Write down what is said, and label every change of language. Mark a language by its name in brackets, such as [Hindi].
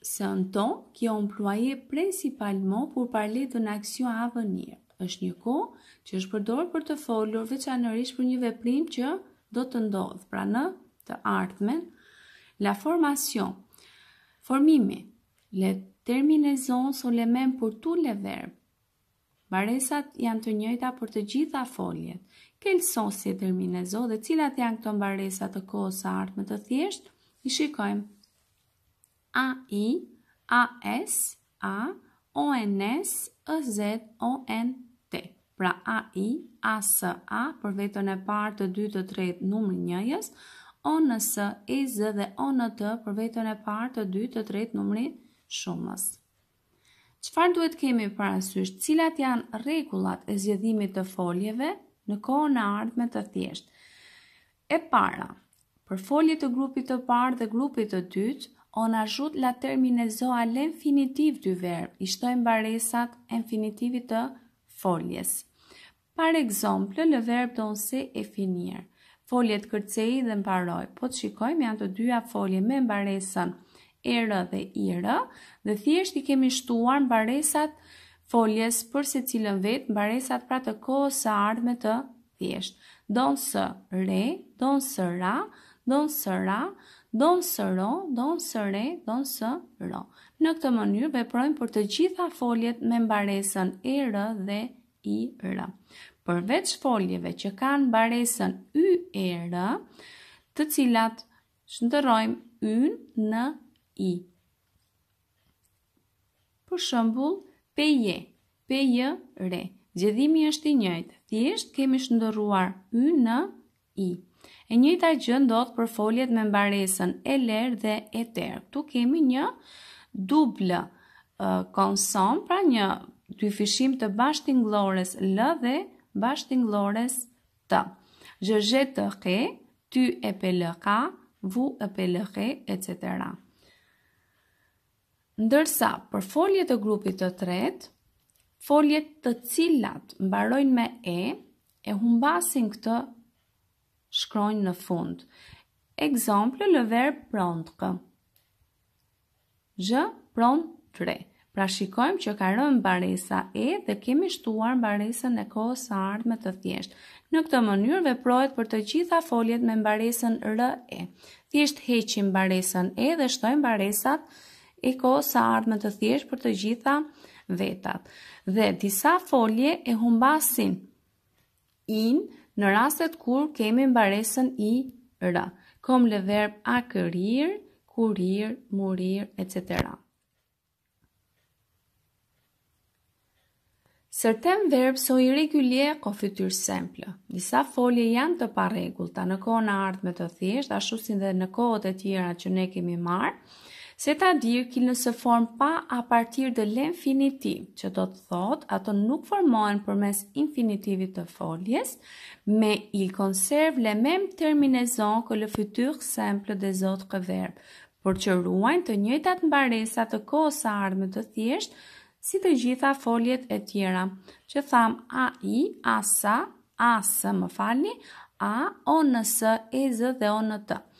[French] C'est un temps qui est employé principalement pour parler d'une action à venir. [Albanian] Është një kohë që është përdorur për të folur veçanërisht për një veprim që do të ndodhë, pra në të ardhmen. [French] La formation. [Albanian] Formimi. [French] Les terminaisons sont les mêmes pour tous les verbes. [Albanian] Mbaresat janë të njëjta për të gjitha foljet. [French] Quelles sont ces terminaisons [Albanian] dhe cilat janë këto mbaresa të kohës së ardhme të thjeshtë? I shikojmë. [French] AI, AS, A, ONS, EZ, ONT. [Albanian] Pra AI, AS, A për veten e parë, të dytë, të tretë, numri njëjës, ONS, EZ dhe ONT për veten e parë, të dytë, të tretë, numri shumës. Çfarë duhet kemi parasysh? Cilat janë rregullat e zgjedhimit të foljeve në kohën e ardhme të thjeshtë? E para, për foljet e grupit të parë dhe grupit të dytë, [French] on ajoute la terminaison à l'infinitif du verbe. [Albanian] I shtojmë mbaresat infinitivit të foljes. [French] Par exemple, le verbe danser est finir. [Albanian] Foljet kërcej dhe mbaroj. Po të shikojmë, janë të dyja folje me mbaresën erë dhe irë, dhe thjesht i kemi shtuar mbaresat foljes për se cilën vetë, mbaresat pra të kohës së ardhme të thjesht. Don së re, don së ra, don së ra, don së ro, don së re, don së ro. Në këtë mënyrë veprojmë për të gjitha foljet me mbaresën erë dhe irë. Përveç foljeve që kanë mbaresën yrë, të cilat shndërrojmë ynë në i. Për shembull, peje, peje re. Zgjedhimi është i njëjtë, thjesht kemi shndërruar y në i. E njëjta gjë ndodh për foljet me mbaresën eler dhe eter. Tu kemi një duble konson, pra një dyfishim të bashkëtingëllores l dhe bashkëtingëllores t. [French] Je jetterai, tu appelleras, vous appellerez, etc. [Albanian] Ndërsa, për foljet e grupit të tretë, foljet të cilat mbarojnë me e humbasin këtë shkronjë në fund. [French] Ekzemple, le verbe prendre. Je prendrai. [Albanian] Pra shikojmë që ka rënë mbaresa e dhe kemi shtuar mbaresën e kohës së ardhme të thjeshtë. Në këtë mënyrë veprohet për të gjitha foljet me mbaresën re. Thjesht heqim mbaresën e dhe shtojmë mbaresat e kohës së ardhme të thjeshtë për të gjitha vetat. Dhe disa folje e humbasin in në rastet kur kemi mbaresën i r. [French] Comme le verbe acquérir, courir, mourir, etc. Certains verbes sont irréguliers au futur simple. [Albanian] Disa folje janë të parregullta në kohën e ardhme të thjeshtë, ashtu si dhe në kohët e tjera që ne kemi marrë. [French] C'est-à-dire qu'il ne se forme pas à partir de l'infinitif, [Albanian] që do të thot, ato nuk formohen përmes infinitivit të foljes, me [French] il conserve les mêmes terminaisons que le futur simple des autres verbes, [Albanian] por që ruajnë të njëjtat mbaresa të kohës së ardhme të thjesht, si të gjitha foljet e tjera, që tham AI, ASA, ASA, më falni, A, ONS, EZ dhe ONT.